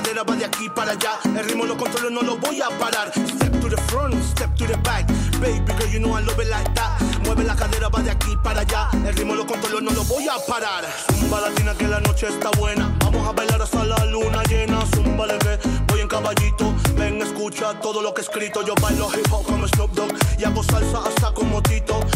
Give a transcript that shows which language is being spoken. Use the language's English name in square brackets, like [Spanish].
[Spanish] Va de aquí para allá, el ritmo lo controlo, no lo voy a parar. [English] Step to the front, step to the back, baby girl, you know I love it like that. [Spanish] Mueve la cadera, va de aquí para allá, el ritmo lo controlo, no lo voy a parar. Zumba latina, que la noche está buena. Vamos vamos a bailar hasta la luna llena. Zumba, le ve, voy en caballito. Ven, escucha todo lo que he escrito. Yo bailo hip hop como Snoop Dogg y hago salsa hasta como Tito.